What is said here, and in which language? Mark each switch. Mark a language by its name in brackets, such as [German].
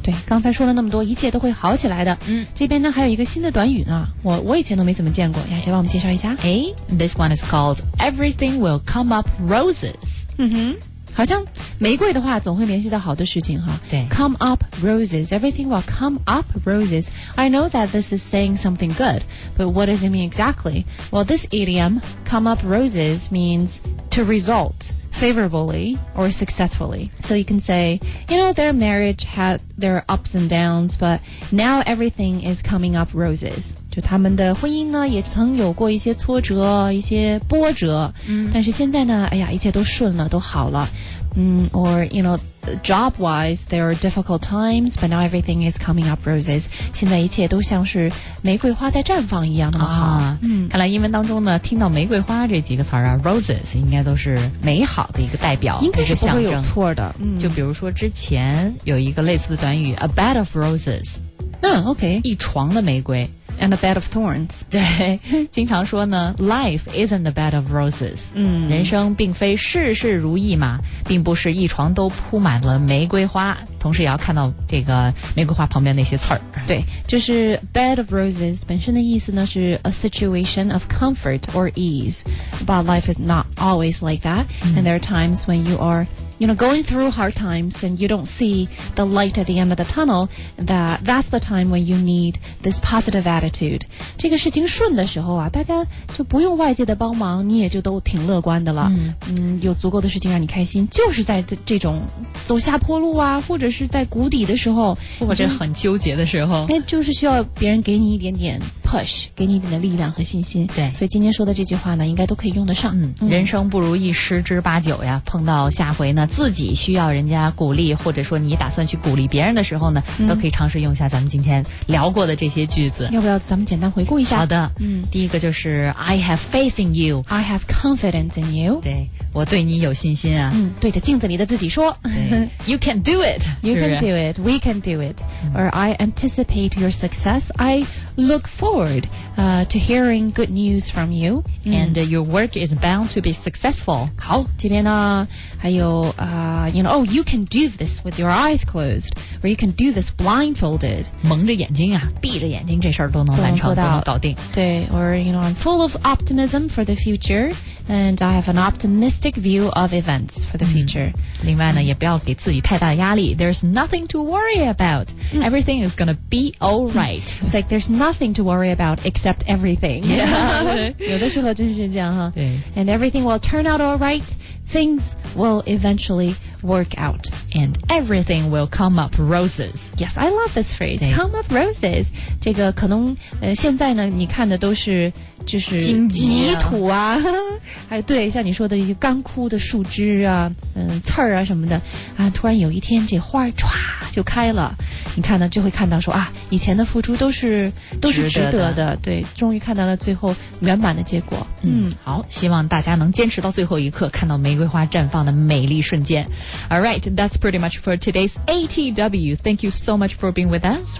[Chinese] 对，刚才说了那么多，一切都会好起来的。嗯，这边呢还有一个新的短语呢，我以前都没怎么见过，亚杰帮我们介绍一下。 [English] 哎 ，This one is called Everything Will Come Up Roses。 [Chinese] 嗯哼，好像玫瑰的话总会联系到好的事情哈。对 [English] ，Come up roses. Everything will come up roses. I know that this is saying something good. But what does it mean exactly? Well, this idiom, come up roses, means to result favorably or successfully. So you can say, you know, their marriage had their ups and downs, but now everything is coming up roses. [Chinese] 就他们的婚姻呢也曾有过一些挫折一些波折、嗯、但是现在呢哎呀一切都顺了都好了。 [English] 嗯 or, you know,Job-wise, there are difficult times, but now everything is coming up roses. [Chinese] 现在一切都像是玫瑰花在绽放一样那么好、啊嗯、看来英文当中呢听到玫瑰花这几个词啊 roses 应该都是美好的一个代表应该是不会有错的、嗯、就比如说之前有一个类似的短语 [English] a bed of roses、啊、OK [Chinese] 一床的玫瑰 [English] and a bed of thorns [Chinese] 对经常说呢 [English] life isn't a bed of roses、嗯、 [Chinese] 人生并非事事如意嘛并不是一床都铺满了玫瑰花同时也要看到这个玫瑰花旁边那些刺儿 [English] 对就是 bed of roses [Chinese] 本身的意思呢是 [English] a situation of comfort or ease but life is not always like that、嗯、 and there are times when you are you know going through hard times and you don't see the light at the end of the tunnel that's the time when you need this positive attitude [Chinese] 这个事情顺的时候啊大家就不用外界的帮忙你也就都挺乐观的了嗯, 嗯有足够的事情让你开心就是在这种走下坡路啊或者是在谷底的时候或者很纠结的时候就是需要别人给你一点点 push 给你一点的力量和信心对所以今天说的这句话呢应该都可以用得上、嗯、人生不如意十之八九呀碰到下回呢自己需要人家鼓励或者说你打算去鼓励别人的时候呢、嗯、都可以尝试用一下咱们今天聊过的这些句子要不要咱们简单回顾一下好的、嗯、第一个就是 [English] I have faith in you I have confidence in you [Chinese] 对我对你有信心啊嗯，对着镜子里的自己说 [English] You can do it You can do it We can do it、嗯、 Or I anticipate your success I look forward、to hearing good news from you、嗯、And your work is bound to be successful [Chinese] 好今天呢还有、 [English] you know, Oh you can do this with your eyes closed Or you can do this blindfolded 蒙着眼睛啊闭着眼睛这事儿都能完成都能搞定对 Or you know I'm full of optimism for the futureAnd I have an optimistic view of events for the future.、 [Chinese] 嗯、另外呢、嗯、也不要给自己太大压力。 [English] There's nothing to worry about.、嗯、 everything is going to be all right.、嗯、It's like there's nothing to worry about except everything. Yeah. [Chinese] 有的时候真是这样哈。对。 [English] And everything will turn out all right. things will eventually work out and everything will come up roses. Yes, I love this phrase. Come up roses. [Chinese] 这个可能现在呢你看的都是就是荆棘土啊，还有对像你说的一些干枯的树枝啊，刺儿啊什么的啊，突然有一天这花儿唰就开了，你看呢就会看到说啊，以前的付出都是值得的，对，终于看到了最后圆满的结果。嗯，好，希望大家能坚持到最后一刻，看到玫瑰花绽放的美丽瞬间。 [English] All right, that's pretty much for today's ATW. Thank you so much for being with us.